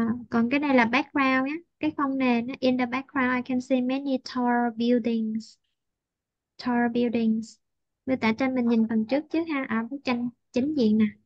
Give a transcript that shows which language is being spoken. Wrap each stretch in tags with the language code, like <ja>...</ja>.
<vi>Còn cái này là background nhé, cái phông nền đó.</vi> <en>In the background I can see many tall buildings. Tall buildings.</en> <vi>Mô tả trên mình nhìn phần trước chứ ha, ở bức tranh chính diện nè.</vi>